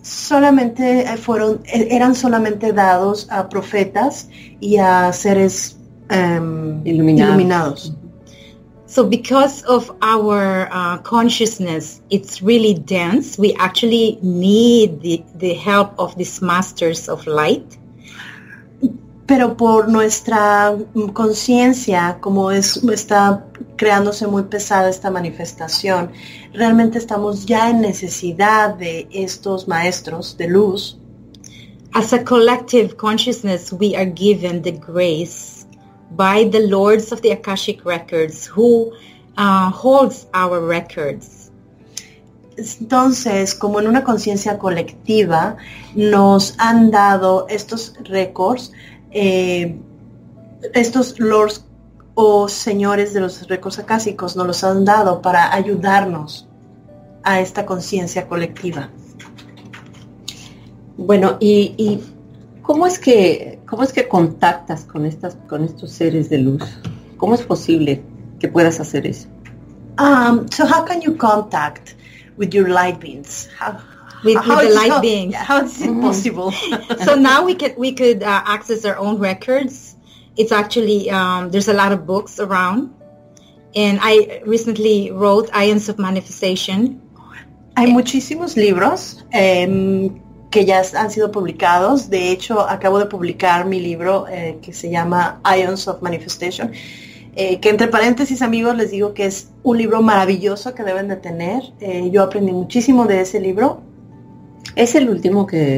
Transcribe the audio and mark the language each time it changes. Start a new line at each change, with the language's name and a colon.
Spanish: Solamente eran dados a profetas y a seres iluminados.
English: So because of our consciousness, it's really dense. We actually need the help of these masters of light.
Spanish: Pero por nuestra conciencia, como es, está creándose muy pesada esta manifestación, realmente estamos ya en necesidad de estos maestros de luz.
English: As a collective consciousness, we are given the grace by the lords of the Akashic Records, who holds our records.
Spanish: Entonces, como en una conciencia colectiva, nos han dado estos récords, estos lords o señores de los récords akáshicos nos los han dado para ayudarnos a esta conciencia colectiva. Bueno, y ¿Cómo es que contactas con estas, con estos seres de luz? ¿Cómo es posible que puedas hacer eso?
English: So how can you contact with your light beings? How is it possible? So now we could access our own records. It's actually there's a lot of books around, and I recently wrote Ions of Manifestation.
Spanish: Hay muchísimos libros. Que ya han sido publicados. De hecho, acabo de publicar mi libro que se llama Ions of Manifestation, que entre paréntesis, amigos, les digo que es un libro maravilloso que deben de tener. Yo aprendí muchísimo de ese libro. Es el último que...